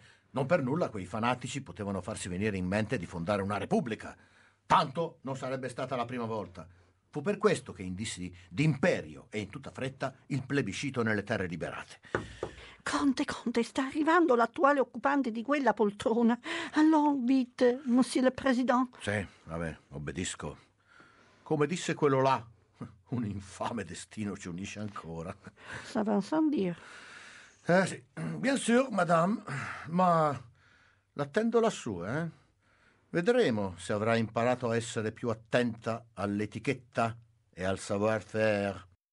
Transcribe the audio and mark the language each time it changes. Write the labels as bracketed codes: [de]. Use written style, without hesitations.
[it] Non per nulla quei fanatici potevano farsi venire in mente di fondare una repubblica. Tanto non sarebbe stata la prima volta. Fu per questo che indissi d'imperio e in tutta fretta il plebiscito nelle terre liberate. Conte, sta arrivando l'attuale occupante di quella poltrona. [fr] Allons vite, monsieur le président. [it] Sì, vabbè, obbedisco. Come disse quello là, un infame destino ci unisce ancora. [fr] Ça va sans dire. [it] Sì, [fr] bien sûr, madame, [it] ma l'attendo lassù, eh? Vedremo se avrà imparato a essere più attenta all'etichetta e al savoir-faire.